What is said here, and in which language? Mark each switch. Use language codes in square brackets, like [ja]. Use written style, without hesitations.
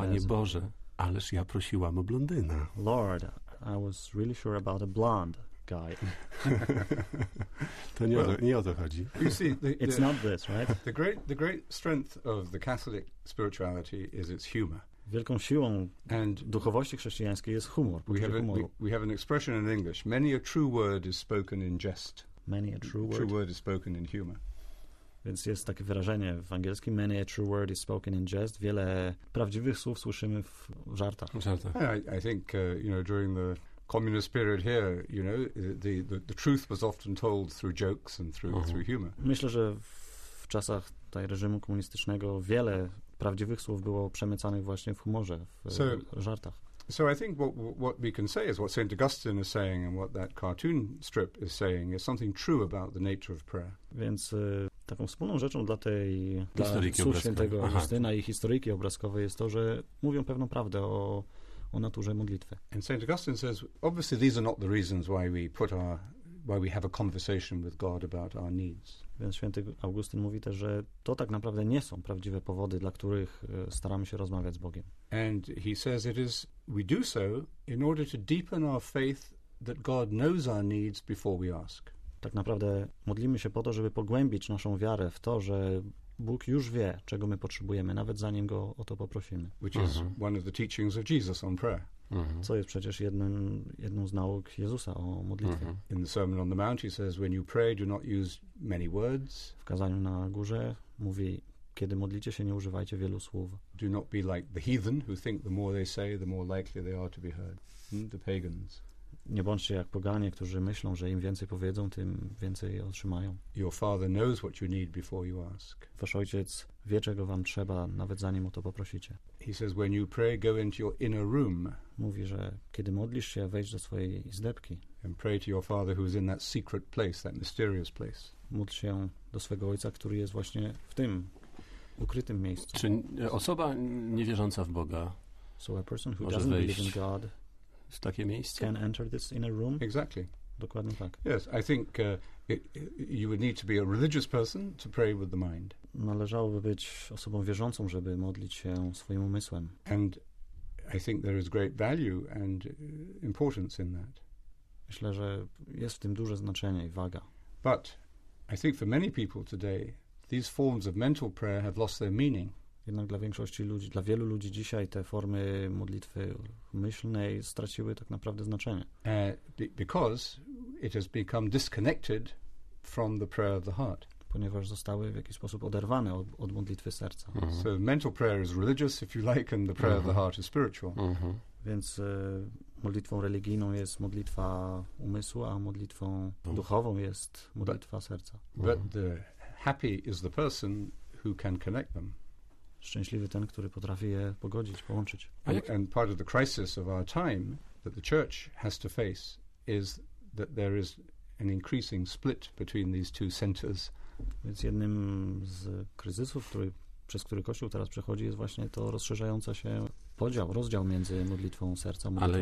[pl] Panie Boże, ależ ja prosiłam o blondyna. [en] Lord, I was really sure about a blonde guy. [pl] To nie o to chodzi. [en] You see, it's not this, right? The great strength of the Catholic spirituality is its humor. [pl] Wielką siłą duchowości chrześcijańskiej jest humor. [en] We have an expression in English. Many a true word is spoken in jest. Many a true word. True word is spoken in humor. [pl] Więc jest takie wyrażenie w angielskim. [en] Many a true word is spoken in jest. [pl] Wiele prawdziwych słów słyszymy w żartach. [en] I think, you know, during the communist period here, you know, the truth was often told through jokes and through humor. [pl] Myślę, że w czasach tej reżimu komunistycznego wiele prawdziwych słów było przemycanych właśnie w humorze, w żartach. [en] So I think what we can say is what St. Augustine is saying and what that cartoon strip is saying is something true about the nature of prayer. [pl] Więc taką wspólną rzeczą dla słów świętego Augustyna i historyjki obrazkowej jest to, że mówią pewną prawdę o naturze modlitwy. [en] And St. Augustine says, obviously these are not the reasons why we have a conversation with God about our needs. [pl] Więc Święty Augustyn mówi też, że to tak naprawdę nie są prawdziwe powody, dla których staramy się rozmawiać z Bogiem. [en] And he says it is, we do so in order to deepen our faith that God knows our needs before we ask. [pl] Tak naprawdę modlimy się po to, żeby pogłębić naszą wiarę w to, że Bóg już wie, czego my potrzebujemy, nawet zanim Go o to poprosimy. [en] Which is one of the teachings of Jesus on prayer. [pl] Co jest przecież jedną z nauk Jezusa o modlitwie. [en] In the Sermon on the Mount he says, when you pray, do not use many words. [pl] W kazaniu na górze mówi, kiedy modlicie się, nie używajcie wielu słów. [en] Do not be like the heathen, who think the more they say, the more likely they are to be heard. The pagans. [pl] Nie bądźcie jak poganie, którzy myślą, że im więcej powiedzą, tym więcej otrzymają. [en] Your father knows what you need before you ask. [pl] Wasz ojciec wie, czego wam trzeba, nawet zanim o to poprosicie. [en] He says, when you pray, go into your inner room. [pl] Mówi, że kiedy modlisz się, wejdź do swojej izdebki. [en] And pray to your father who is in that secret place, that mysterious place. [pl] Módl się do swego ojca, który jest właśnie w tym ukrytym miejscu. Czy osoba niewierząca w Boga, [en] so a person who doesn't believe in God, [pl] w takie miejsce? [en] Can enter this inner room? Exactly. [pl] Dokładnie tak. [en] Yes, I think you would need to be a religious person to pray with the mind. [pl] należałoby być osobą wierzącą, żeby modlić się swoim umysłem. [en] And I think there is great value and importance in that. [pl] Myślę, że jest w tym duże znaczenie i waga. [en] But I think for many people today, these forms of mental prayer have lost their meaning. [pl] Jednak dla większości ludzi, dla wielu ludzi dzisiaj te formy modlitwy myślnej straciły tak naprawdę znaczenie. [en] Because it has become disconnected from the prayer of the heart. [pl] Ponieważ zostały w jakiś sposób oderwane od modlitwy serca. [en] So mental prayer is religious, if you like, and the prayer of the heart is spiritual. [pl] Więc modlitwą religijną jest modlitwa umysłu, a modlitwą duchową jest modlitwa serca. [en] But the happy is the person who can connect them. [pl] Szczęśliwy ten, który potrafi je pogodzić, połączyć. [en] And part of the crisis of our time that the church has to face is that there is an increasing split between these two centers. [pl] Więc jednym z kryzysów, przez który Kościół teraz przechodzi, jest właśnie to rozszerzająca się rozdział między modlitwą serca, modlitwą